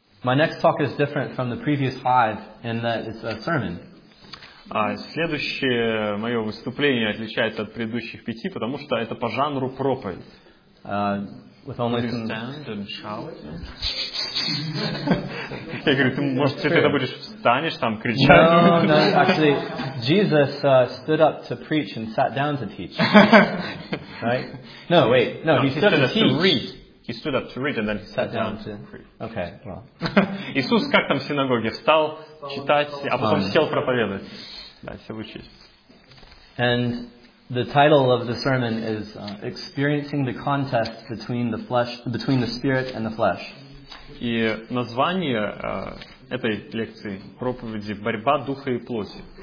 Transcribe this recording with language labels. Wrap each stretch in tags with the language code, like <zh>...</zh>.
<en>My next talk is different from the previous five in that it's a sermon.</en> <ru>Следующее мое выступление отличается от предыдущих пяти, потому что это по жанру проповедь.</ru> <en>With only stand and shout.</en> <ru>Я говорю, ты, может, ты когда будешь встанешь там кричать?</ru> <en>No, actually, Jesus stood up to preach and sat down to teach. Right? No, wait, no, he stood up to read. He stood up to read and then he sat down to preach. Okay.</en> <ru>Иисус как там в синагоге встал читать, а потом сел проповедовать. Да, все учись.</ru> <en>And the title of the sermon is "Experiencing the Contest Between the Flesh, Between the Spirit and the Flesh."</en> <ru>И название этой лекции, проповеди, борьба духа и плоти.</ru>